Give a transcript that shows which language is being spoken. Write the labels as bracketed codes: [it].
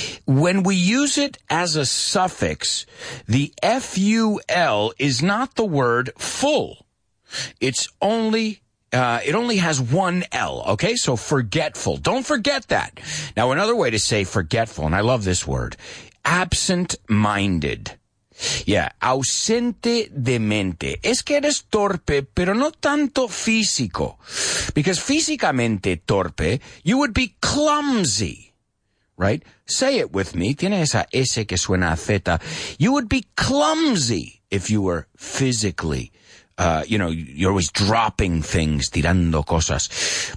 [en] When we use it as a suffix, the F-U-L is not the word full. It's only, it only has one L, okay? So forgetful. Don't forget that. Now, another way to say forgetful, and I love this word, absent-minded. [es] Yeah, ausente de mente. Es que eres torpe, pero no tanto físico. [en] Because [es] físicamente torpe, [en] you would be clumsy, right? Say it with me. [es] Tiene esa S que suena a Z. [en] You would be clumsy if you were physically, you know, you're always dropping things, [es] tirando cosas.